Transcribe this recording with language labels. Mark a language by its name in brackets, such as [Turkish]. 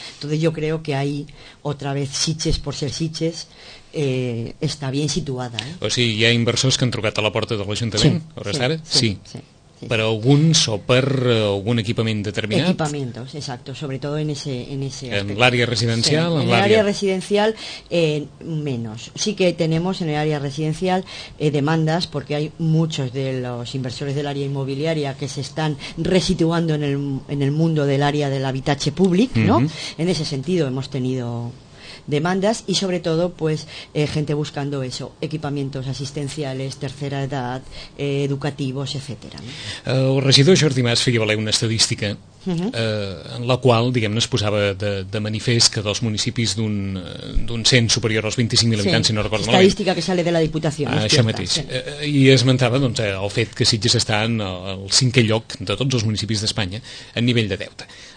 [Spanish] Entonces yo creo que ahí, otra vez, Sitges por ser Sitges, está bien situada, ¿eh? [Catalan] O sigui, hi ha inversors que han trucat a la porta de l'Ajuntament, sí, hores d'ara? Sí. Per alguns o per algun equipament determinat? [Spanish] Equipamientos, exacto, sobretot en ese aspecto. [Catalan] En l'àrea residencial? Sí, en l'àrea residencial, menos. [Spanish] Sí que tenemos [Catalan] en l'àrea residencial [Spanish] demandas, porque hay muchos de los inversores del área inmobiliaria que se están resituando en el mundo del área del [Catalan] habitatge públic, [Spanish] ¿no? Uh-huh. En ese sentido hemos tenido demandas, y sobre todo, pues, gente buscando eso, equipamientos asistenciales, tercera edad, educativos, etcétera, ¿no? [Catalan] El regidor Jordi Mas feia valer una estadística en la qual, diguem-ne, es posava de manifest que dels municipis d'un cent superior als 25.000 habitants, si no recordo malament. [Spanish] Estadística que sale de la Diputació. [Catalan] Això mateix. I esmentava, doncs, el fet que Sitges està en el cinquè lloc de tots els municipis d'Espanya en nivell de deute.